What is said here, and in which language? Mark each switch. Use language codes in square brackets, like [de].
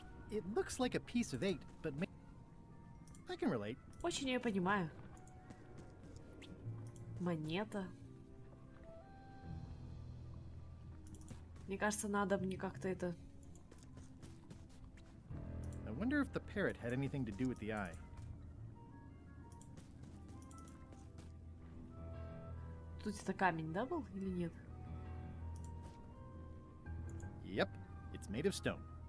[en] It looks like a piece of eight, but I can relate. [ru] Очень ее понимаю. Монета. Мне кажется, надо мне как-то это. I wonder if the parrot had anything to do with the eye. Тут это камень, да, был или нет? [en] Yep, it's made of stone.